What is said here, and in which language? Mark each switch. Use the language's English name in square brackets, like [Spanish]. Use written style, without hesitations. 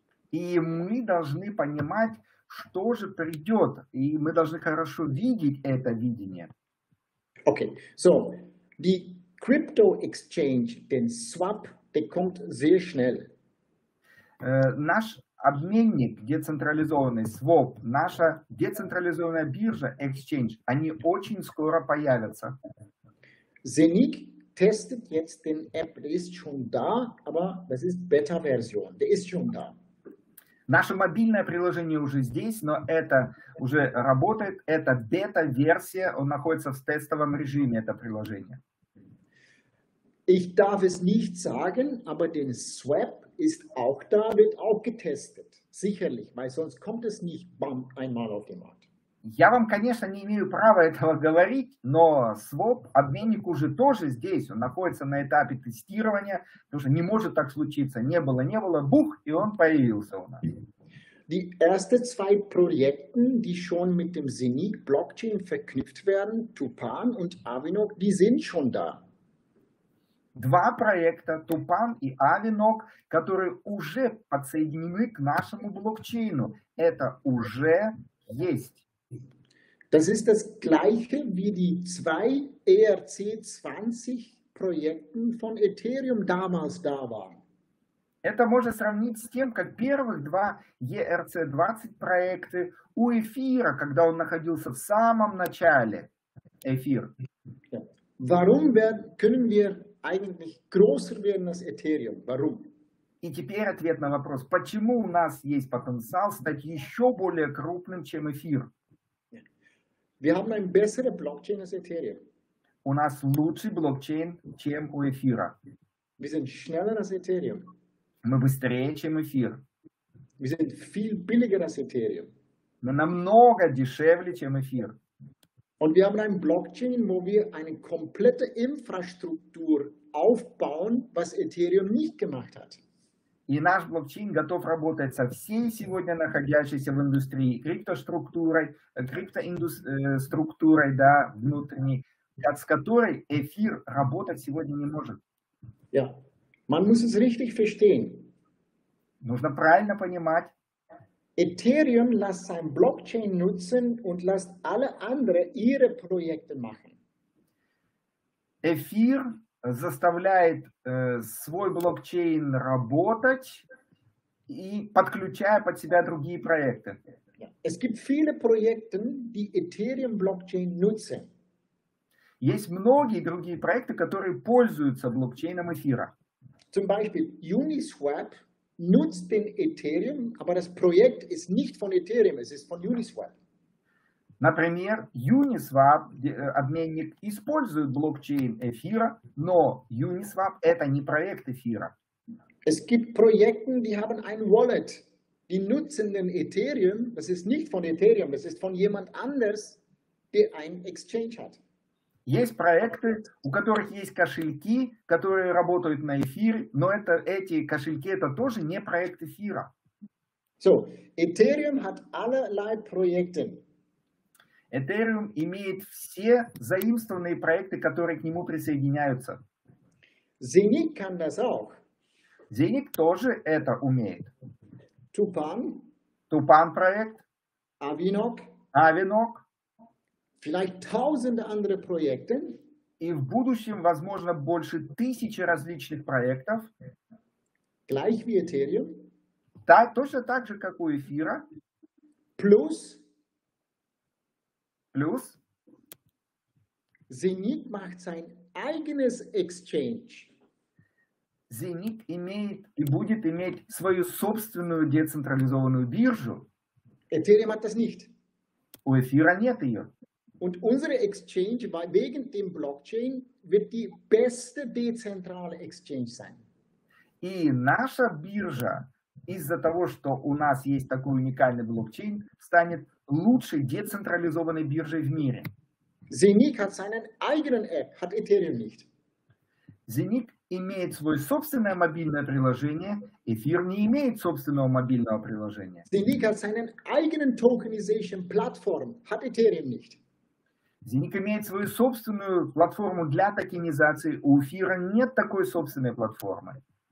[Russian] И мы должны понимать, что же придет, и мы должны хорошо видеть это видение. [English] Okay, so, the crypto exchange, the swap, they [German] kommt sehr schnell. [Russian] Наш обменник децентрализованный, Swap, наша децентрализованная биржа, Exchange, они очень скоро появятся. [German] Zenith testet jetzt den App, der ist schon da, aber das ist Beta-Version, der ist schon da. [Russian] Наше мобильное приложение уже здесь, но это уже работает, это Beta-версия, он находится в тестовом режиме, это приложение. [German] Ich darf es nicht sagen, aber den Swap ist auch da, wird auch getestet. Sicherlich, weil sonst kommt es nicht bam, einmal auf den Markt. [Russian] Я вам, конечно, не имею права этого говорить, но Swap, обменник уже тоже здесь, он находится на этапе тестирования, потому что не может так случиться, не было, бух, и он появился у нас. [German] Die ersten zwei Projekte, die schon mit dem Zenith Blockchain verknüpft werden, Tupan und Avinok, die sind schon da. [Russian] Два проекта, Tupan и Avinok, которые уже подсоединены к нашему блокчейну. Это уже есть. [German] Das ist das gleiche wie die zwei ERC-20 Projekte von Ethereum damals da waren. [Russian] Это можно сравнить с тем, как первых два ERC-20 проекты у эфира, когда он находился в самом начале эфира. [German] Warum können wir eigentlich größer werden als Ethereum. Warum? [Russian] И теперь ответ на вопрос, почему у нас есть потенциал стать еще более крупным, чем эфир? [German] Wir haben ein besseres Blockchain als Ethereum. [Russian] у нас лучший блокчейн, чем у эфира. [German] Wir sind schneller als Ethereum. [Russian] Мы быстрее, чем эфир. [German] Wir sind viel billiger als Ethereum. [Russian] Мы намного дешевле, чем эфир. [German] Und wir haben einen Blockchain, wo wir eine komplette Infrastruktur aufbauen, was Ethereum nicht gemacht hat. [Russian] И наш блокчейн готов работать со всей сегодня находящейся в индустрии криптоструктурой, криптоструктурой, да, внутренней, с которой эфир работать сегодня не может. [German] Ja, man muss es richtig verstehen. [Russian] Нужно правильно понимать. [German] Ethereum lässt sein Blockchain nutzen und lässt alle andere ihre Projekte machen. [Russian] Эфир заставляет свой блокчейн работать и подключая под себя другие проекты. [German] Es gibt viele Projekte, die Ethereum Blockchain nutzen. [Russian] Есть многие другие проекты, которые пользуются блокчейном эфира. [German] Zum Beispiel Uniswap nutzt den Ethereum, aber das Projekt ist nicht von Ethereum, es ist von Uniswap. [Russian] Например, Uniswap, обменник, использует блокчейн эфира, но Uniswap – это не проект эфира. [German] Es gibt Projekte, die haben ein Wallet. Die nutzen den Ethereum. Das ist nicht von Ethereum, das ist von jemand anders, der ein Exchange hat. [Russian] Есть проекты, у которых есть кошельки, которые работают на эфире, но это, эти кошельки – это тоже не проект эфира. [German] So, Ethereum hat allerlei Projekte. [Russian] Ethereum имеет все заимствованные проекты, которые к нему присоединяются. [German] Zenik kann das auch. [Russian] Zenik тоже это умеет. [German] Tupan. [Russian] Tupan проект. [German] Avinok. [Russian] Avinok. [German] Vielleicht tausende andere Projekte. [Russian] И в будущем, возможно, больше тысячи различных проектов. [German] Gleich wie Ethereum. [Russian] Так, точно так же, как у эфира. [German] Plus. [Russian] Plus, [German] Zenik macht sein eigenes Exchange. [Russian] Zenik имеет и будет иметь свою собственную децентрализованную биржу. [German] Ethereum hat das nicht. [Russian] У эфира нет ее. [German] Und unsere Exchange wegen dem Blockchain wird die beste dezentrale Exchange sein. [Russian] И наша биржа из-за того, что у нас есть такой уникальный блокчейн, станет лучшей децентрализованной биржей в мире. [German] Zenik hat seinen eigenen App, hat Ethereum nicht. [Russian] Zenik имеет свое собственное мобильное приложение, Эфир не имеет собственного мобильного приложения. [German] Zenik hat seinen eigenen [English] tokenization platform, [German] hat Ethereum nicht. [Russian] Zenik имеет свою собственную платформу для токенизации, у Эфира нет такой собственной платформы.